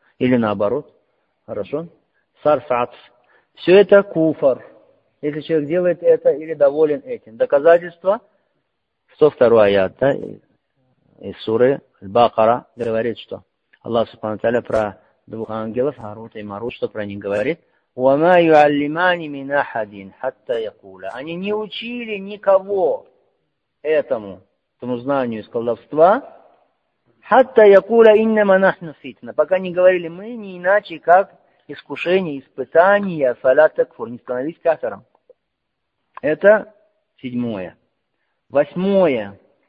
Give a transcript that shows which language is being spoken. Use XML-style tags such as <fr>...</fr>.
<ru>Или наоборот. Хорошо? Сарфатс. Все это куфар. Если человек делает это или доволен этим. Доказательство. 102 аят, да, из суры Аль-Бакара говорит, что Аллах Субхану Тааля про двух ангелов, Харут и Марут, что про них говорит.</ru> <ar>وَمَا يُعَلِّمَانِ مِنْ أَحَدٍ حَتَّى يَقُولَ.</ar> <ru>Они не учили никого этому, этому знанию из колдовства,</ru> <ar>хатта якуля иннама нахну фитна,</ar> <ru>пока не говорили мы не иначе, как искушение, испытание,</ru> <ar>фалят такфур,</ar> <ru>не становись кафиром. Это седьмое. Восьмое.</ru>